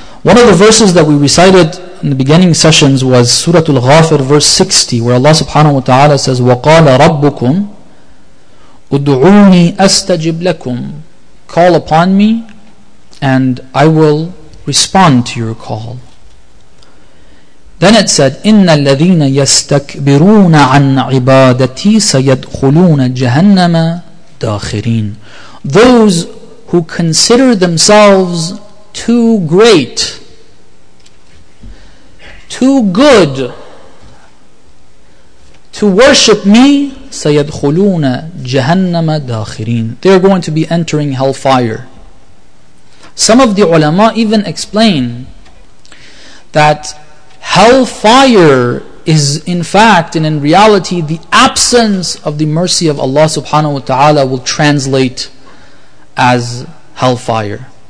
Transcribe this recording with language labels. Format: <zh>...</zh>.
<en>One of the verses that we recited in the beginning sessions was Surah Al-Ghafir, verse 60, where Allah subhanahu wa ta'ala says,</en> <ar>وَقَالَ رَبُّكُمْ أُدْعُونِي أَسْتَجِبْ لَكُمْ.</ar> <en>Call upon me and I will respond to your call. Then it said,</en> <ar>إِنَّ الَّذِينَ يَسْتَكْبِرُونَ عَنْ عِبَادَتِي سَيَدْخُلُونَ جَهَنَّمَ دَاخِرِينَ.</ar> <en>Those who consider themselves too great, too good to worship me,</en> <ar>سَيَدْخُلُونَ جَهَنَّمَ دَاخِرِينَ.</ar> <en>They are going to be entering hellfire. Some of the ulama even explain that hellfire is in fact and in reality the absence of the mercy of Allah subhanahu wa ta'ala will translate as hellfire.</en>